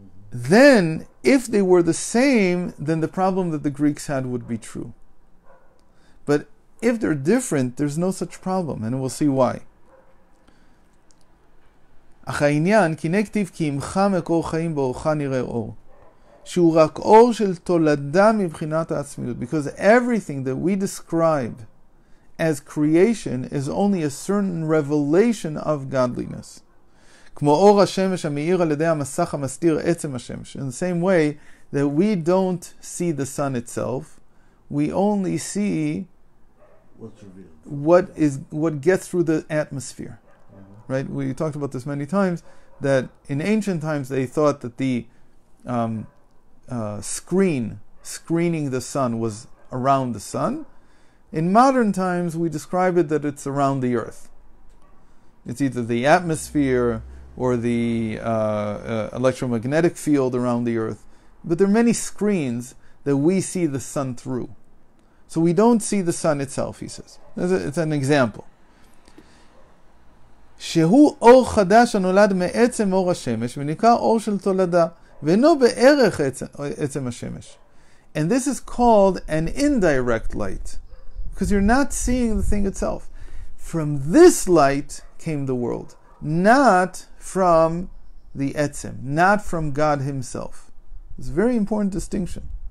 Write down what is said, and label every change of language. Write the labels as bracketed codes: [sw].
[en] Then, if they were the same, then the problem that the Greeks had would be true. But if they're different, there's no such problem, and we'll see why. [he] אך העניין, כי נכתיב כי עמך מקור חיים באורך נראה אור, שהוא רק אור של תולדה מבחינת העצמיות. [en] Because everything that we describe as creation is only a certain revelation of godliness. [he] כמו אור השמש המאיר על ידי המסך המסתיר עצם השמש. [en] In the same way that we don't see the sun itself, we only see what gets through the atmosphere. Mm-hmm. Right? We talked about this many times, that in ancient times they thought that the screening the sun was around the sun. In modern times we describe it that it's around the earth. It's either the atmosphere or the electromagnetic field around the earth. But there are many screens that we see the sun through. So we don't see the sun itself, he says. It's an example. [he] שהוא אור חדש הנולד מעצם אור השמש, ונקרא אור של תולדה, ואינו בערך עצם השמש. [en] And this is called an indirect light, because you're not seeing the thing itself. From this light came the world. Not from the Etzem, not from God Himself. It's a very important distinction.